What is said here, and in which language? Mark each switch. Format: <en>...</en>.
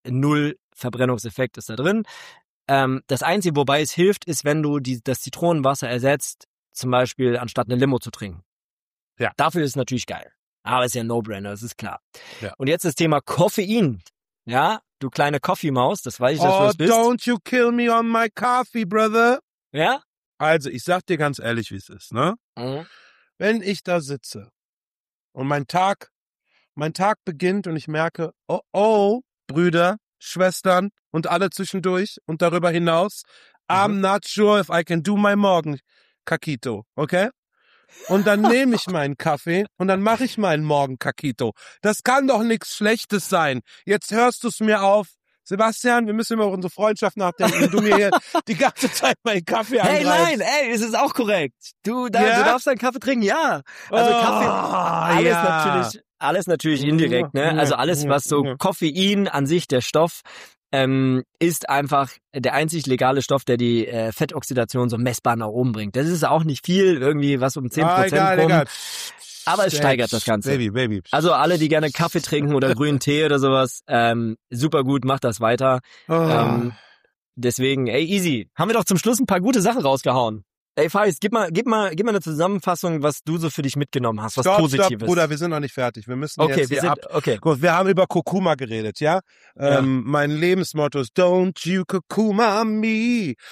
<de>Null Verbrennungseffekt ist da drin. Das Einzige, wobei es hilft, ist, wenn du das Zitronenwasser ersetzt, zum Beispiel anstatt eine Limo zu trinken. Ja. Dafür ist es natürlich geil. Aber es ist ja ein No-Brainer, das ist klar. Ja. Und jetzt das Thema Koffein. Ja, du kleine Coffee-Maus, das weiß ich, dass du das bist.</de> <en>Oh, don't you kill me on my coffee, brother.</en> <de>Ja? Also, ich sag dir ganz ehrlich, wie es ist, ne? Mhm. Wenn ich da sitze und mein Tag beginnt und ich merke, oh, Brüder, Schwestern und alle zwischendurch und darüber hinaus.</de> <en>I'm not sure if I can do my morgen, Kakito, okay?</en> <de>Und dann nehme ich meinen Kaffee und dann mache ich meinen Morgen, Kakito. Das kann doch nichts Schlechtes sein. Jetzt hörst du es mir auf. Sebastian, wir müssen über unsere Freundschaft nachdenken, wenn du mir hier die ganze Zeit meinen Kaffee angreifst. Hey, nein, ey, es ist auch korrekt. Du darfst deinen Kaffee trinken, ja. Also Kaffee, alles natürlich indirekt, ne? Also alles, was so Koffein an sich, der Stoff, ist einfach der einzig legale Stoff, der die Fettoxidation so messbar nach oben bringt. Das ist auch nicht viel, irgendwie was um 10% kommt. Aber es steigert das Ganze.</de> <en>Baby.</en> <de>Also alle, die gerne Kaffee trinken oder grünen Tee oder sowas, super gut, mach das weiter. Oh. Deswegen, ey, easy. Haben wir doch zum Schluss ein paar gute Sachen rausgehauen. Ey, Faiz, gib mal eine Zusammenfassung, was du so für dich mitgenommen hast, was Positives. Stopp, Bruder, wir sind noch nicht fertig. Wir müssen okay, jetzt hier wir sind, ab. Okay. Gut, wir haben über Kurkuma geredet, ja? Ja. Mein Lebensmotto ist,</de> <en>don't you Kurkuma me.</en>